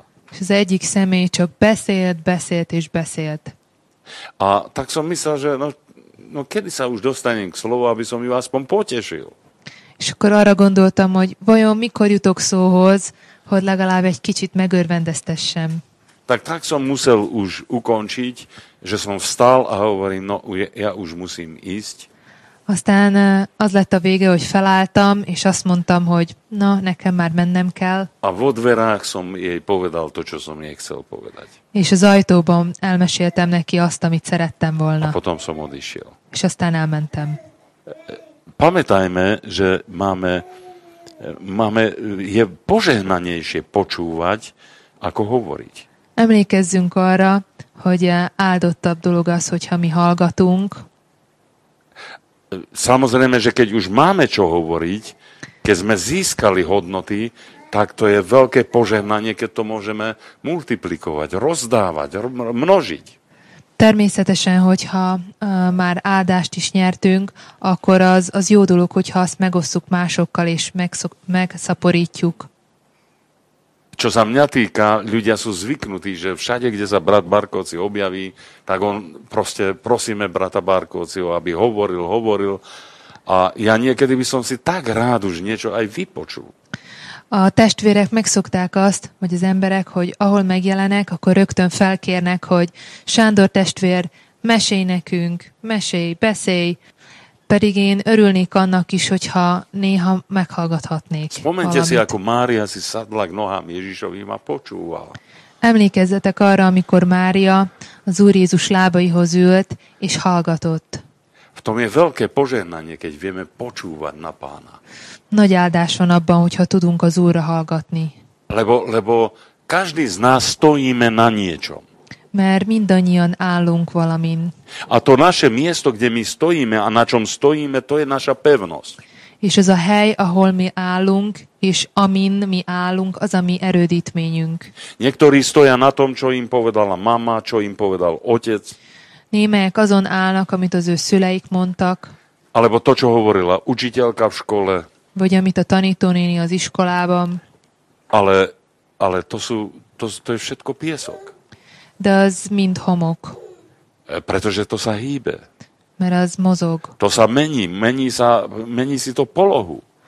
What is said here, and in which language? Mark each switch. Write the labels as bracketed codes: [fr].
[hu] És az egyik személy csak beszélt. [sk] A tak som myslel, že no kedy sa už dostanem k slovu, aby som ju aspoň potešil. [hu] És akkor arra gondoltam, hogy vajon mikor jutok szóhoz, hogy legalább egy kicsit megörvendeztessem. [sk] Tak som musel už ukončiť, že som vstal a hovorím, no ja už musím ísť. [hu] Aztán az lett a vége, hogy felálltam, és azt mondtam, hogy na, nekem már mennem kell. [sk] A vo dverách som jej povedal to, čo som jej chcel povedať. [hu] És az ajtóban elmeséltem neki azt, amit szerettem volna. [sk] A potom som odišiel. [hu] És aztán elmentem. [sk] Pamätajme, že máme je požehnanejšie počúvať, ako hovoriť. [hu] Emlékezzünk arra, hogy áldottabb dolog az, hogyha mi hallgatunk. [sk] Samozrejme, že keď už máme čo hovoriť, keď sme získali hodnoty, tak to je veľké požehnanie, keď to môžeme multiplikovať, rozdávať, množiť. [hu] Természetesen, hogyha már áldást is nyertünk, akkor az jó dolog, hogyha azt megosszuk másokkal és megszaporítjuk. [sk] Čo sa mňa týka, ľudia sú zvyknutí, že všade, kde sa brat Barkovci objaví, tak on proste prosíme brata Barkovciho, aby hovoril. A ja niekedy by som si tak rád už niečo aj vypočul. [hu] A testvérek megszokták azt, vagy az emberek, hogy ahol megjelenek, akkor rögtön felkérnek, hogy Sándor testvér, mesélj nekünk, mesélj, beszélj. Pedig én örülnék annak is, hogyha néha meghallgathatnék. [sk] Spomente [hu] valamit. [sk] Si, ako Mária si sadla k nohám Ježišovým a počúval. [hu] Emlékezzetek arra, amikor Mária az Úr Jézus lábaihoz ült és hallgatott. [sk] V tom je veľké požehnanie, keď vieme počúvať na Pána. [hu] Nagy áldás van abban, hogyha tudunk az Úrra hallgatni. [sk] Lebo každý z nás stojíme na niečom. [hu] Mert mindannyian állunk valamin. [sk] A to naše miesto, kde my stojíme a na čom stojíme, to je naša pevnosť. [hu] És ez a hely, ahol mi állunk, és amin mi állunk, az a mi erődítményünk. [sk] Niektorí stoja na tom, čo im povedala mama, čo im povedal otec. [hu] Némelyek azon állnak, amit az ő szüleik mondtak. [sk] Alebo to, čo hovorila učiteľka v škole. [hu] Vagy amit a tanítónéni az iskolában. [sk] Ale to je všetko piesok. [hu] De az mind homok. [sk] Pretože to sa hýbe. [hu] Mert az mozog. [sk] To sa mení, mení si to polohu.